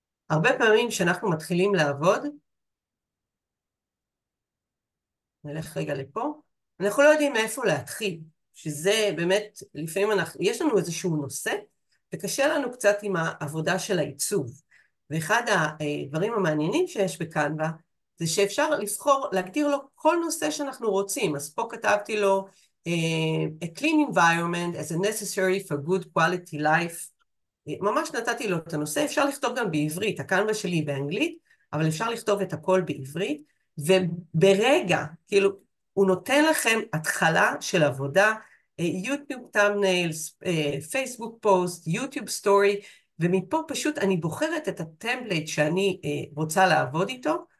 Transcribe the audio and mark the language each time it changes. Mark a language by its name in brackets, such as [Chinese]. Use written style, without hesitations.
[Hebrew] הרבה פעמים שאנחנו מתחילים לעבוד, נלך רגע לפה, אנחנו לא יודעים מאיפה להתחיל, שזה באמת, לפעמים אנחנו, יש לנו איזשהו נושא, וקשה לנו קצת עם העבודה של העיצוב. ואחד הדברים המעניינים שיש בקנבה, זה שאפשר לבחור, להגדיר לו כל נושא שאנחנו רוצים. אז פה כתבתי לו, [English] a clean environment as a necessary for good quality life. [Hebrew] ממש נתתי לו את הנושא, אפשר לכתוב גם בעברית, הקנבה שלי באנגלית, אבל אפשר לכתוב את הכל בעברית, וברגע, כאילו, הוא נותן לכם התחלה של עבודה, יוטיוב טאמנלס, פייסבוק פוסט, יוטיוב סטורי, ומפה פשוט אני בוחרת את הטמפלייט שאני רוצה לעבוד איתו.